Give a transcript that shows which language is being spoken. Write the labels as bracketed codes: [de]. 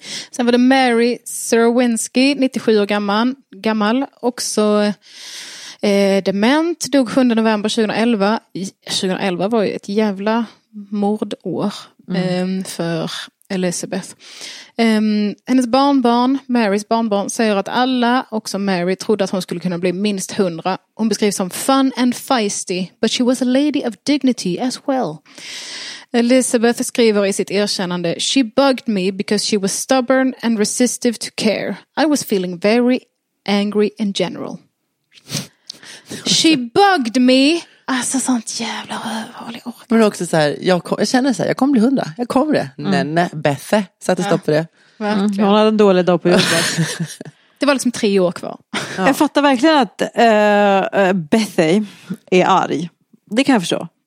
[sv] Sen var det Mary Serwinski, 97 år gammal, också dement, dog 7 november 2011. 2011 var ju ett jävla mordår för Elizabeth. Hennes barnbarn, Marys barnbarn, säger att alla, också Mary, trodde att hon skulle kunna bli minst 100. Hon beskrivs som [en] fun and feisty, but she was a lady of dignity as well. [sv] Elizabeth skriver i sitt erkännande, [en] she bugged me because she was stubborn and resistive to care. I was feeling very angry in general. She bugged me. [sv] Alltså sånt jävla rövhåll i orken. Men också så här, jag känner så här, jag kommer bli 100. Jag kommer det. Mm. Nenne, Bethe, satte stopp för det. Mm. Hon hade en dålig dag på jobbet. Det var liksom 3 år kvar. Ja. Jag fattar verkligen att Bethe är arg. Det kan jag förstå.